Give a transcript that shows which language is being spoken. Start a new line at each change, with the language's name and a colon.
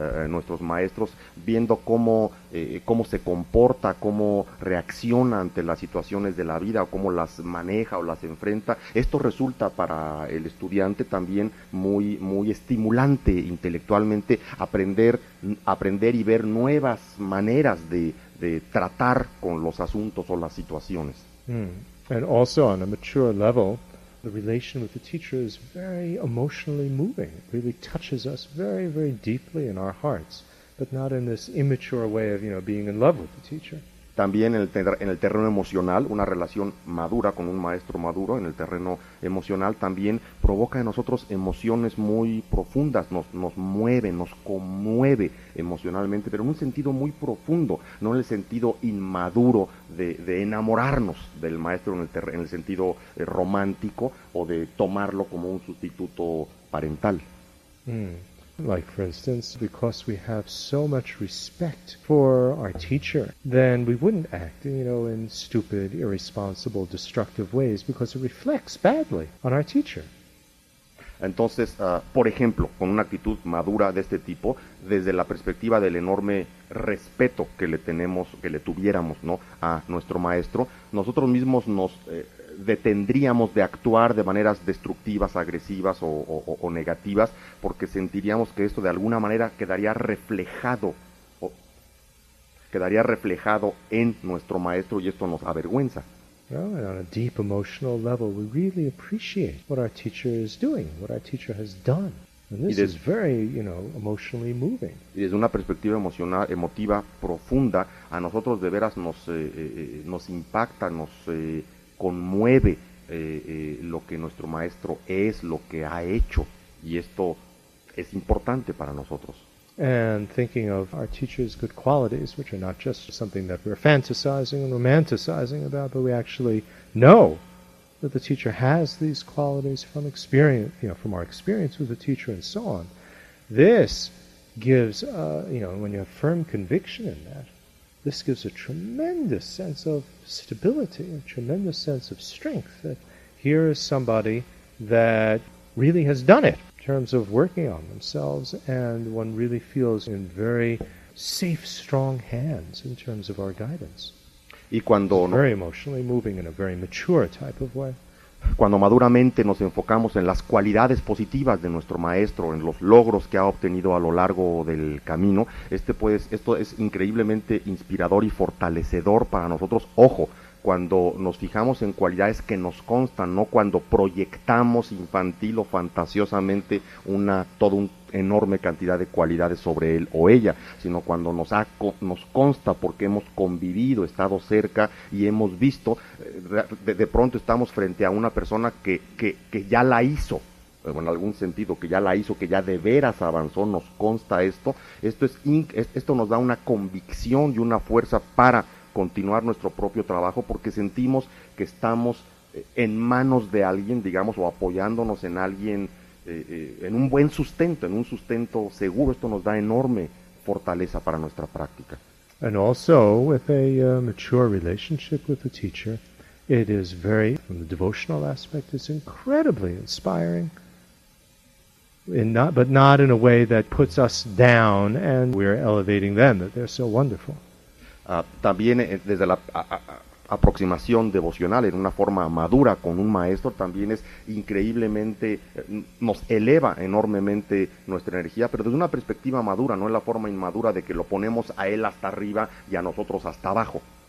Spanish: nuestros maestros, viendo cómo se comporta, cómo reacciona ante las situaciones de la vida, o cómo las maneja o las enfrenta, esto resulta para el estudiante también muy, muy estimulante. Estimulante intelectualmente aprender y ver nuevas maneras de tratar con los asuntos o las situaciones.
English: And also on a mature level, the relation with the teacher is very emotionally moving. It really touches us very, very deeply in our hearts, but not in this immature way of, you know, being in love with the teacher.
Spanish: También en el terreno emocional, una relación madura con un maestro maduro en el terreno emocional también provoca en nosotros emociones muy profundas, nos mueve, nos conmueve emocionalmente, pero en un sentido muy profundo, no en el sentido inmaduro de enamorarnos del maestro en el sentido romántico o de tomarlo como un sustituto parental.
English: Like, for instance, because we have so much respect for our teacher, then we wouldn't act, you know, in stupid, irresponsible, destructive ways because it reflects badly on our teacher.
Spanish: Entonces, por ejemplo, con una actitud madura de este tipo, desde la perspectiva del enorme respeto que le tenemos, que le tuviéramos, ¿no?, a nuestro maestro, nosotros mismos nos detendríamos de actuar de maneras destructivas, agresivas o negativas, porque sentiríamos que esto de alguna manera quedaría reflejado en nuestro maestro y esto nos avergüenza.
English: Well, and on a deep emotional level, we really appreciate what our teacher is doing, what our teacher has done. And this is very, you know, emotionally moving.
Spanish: Y desde una perspectiva emotiva profunda, a nosotros de veras nos impacta, conmueve lo que nuestro maestro es, lo que ha hecho, y esto es importante para nosotros.
English: And thinking of our teacher's good qualities, which are not just something that we're fantasizing and romanticizing about, but we actually know that the teacher has these qualities from experience, you know, from our experience with the teacher and so on. This gives, when you have firm conviction in that, this gives a tremendous sense of stability, a tremendous sense of strength, that here is somebody that really has done it in terms of working on themselves, and one really feels in very safe, strong hands in terms of our guidance.
Spanish: Y cuando
English: it's very emotionally moving in a very mature type of way.
Spanish: Cuando maduramente nos enfocamos en las cualidades positivas de nuestro maestro, en los logros que ha obtenido a lo largo del camino, esto es increíblemente inspirador y fortalecedor para nosotros. Ojo, cuando nos fijamos en cualidades que nos constan, no cuando proyectamos infantil o fantasiosamente una enorme cantidad de cualidades sobre él o ella, sino cuando nos consta porque hemos convivido, estado cerca y hemos visto, de pronto estamos frente a una persona que ya la hizo, en algún sentido, que ya la hizo, que ya de veras avanzó, nos consta esto. Esto nos da una convicción y una fuerza para continuar nuestro propio trabajo porque sentimos que estamos en manos de alguien, digamos, o apoyándonos en alguien, en un buen sustento, en un sustento seguro. Esto nos da enorme fortaleza para nuestra práctica.
English: And also, with a mature relationship with the teacher, it is very, from the devotional aspect, it's incredibly inspiring. but not in a way that puts us down and we're elevating them, that they're so wonderful.
Spanish: También desde la aproximación devocional en una forma madura con un maestro también es increíblemente, nos eleva enormemente nuestra energía, pero desde una perspectiva madura, no en la forma inmadura de que lo ponemos a él hasta arriba y a nosotros hasta abajo.